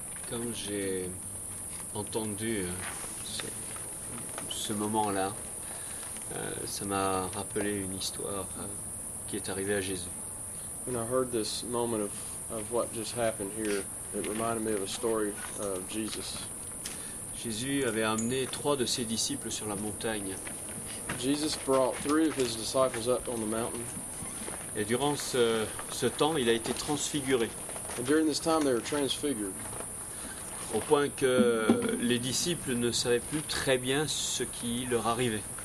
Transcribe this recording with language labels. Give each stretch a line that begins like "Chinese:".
French: Quand j'ai entendu ce moment-là, ça m'a rappelé une histoire qui est arrivée à Jésus.
English: When I heard this moment of what just happened here, it reminded me of a story of Jesus.
French: Jésus avait amené trois de ses disciples sur la montagne.
English: Jesus brought three of his disciples up on the mountain.
French: Et durant ce temps, il a été transfiguré.
English: And during this time, they were transfigured.
French: Au point que les disciples ne savaient plus très bien ce qui leur arrivait.